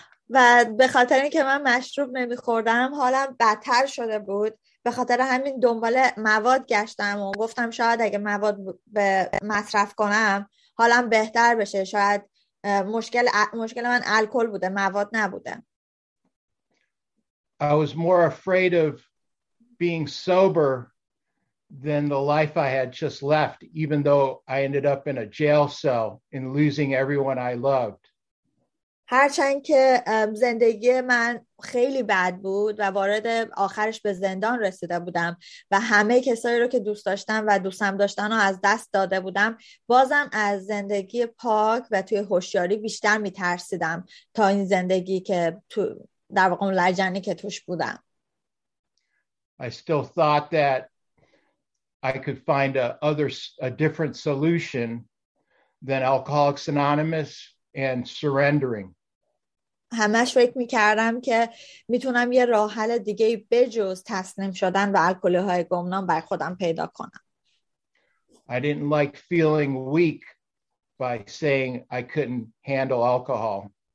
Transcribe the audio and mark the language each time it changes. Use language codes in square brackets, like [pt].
[fa] و به خاطر اینکه من مشروب نمیخوردم حالم بدتر شده بود، به خاطر همین دنبال مواد گشتم و گفتم شاید اگه مواد به مصرف کنم حالم بهتر بشه، شاید مشکل من الکل بوده، مواد نبوده. [en] I was more afraid of being sober than the life I had just left, even though I ended up in a jail cell and losing everyone I loved. [fa] هرچند که زندگی من خیلی بد بود و وارد آخرش به زندان رسیده بودم و همه کسایی رو که دوست داشتم و دوستم داشتن رو از دست داده بودم، بازم از زندگی پاک و توی هوشیاری بیشتر میترسیدم تا این زندگی که تو در واقع اون لجنی که توش بودم. [en] I still thought that I could find a different solution than Alcoholics Anonymous and surrendering. [fa] همش فکر می‌کردم که میتونم یه راه حل دیگه بجز تسلیم شدن و الکل‌های گمنام برای خودم پیدا کنم. [en] I didn't like feeling weak by saying I couldn't handle alcohol.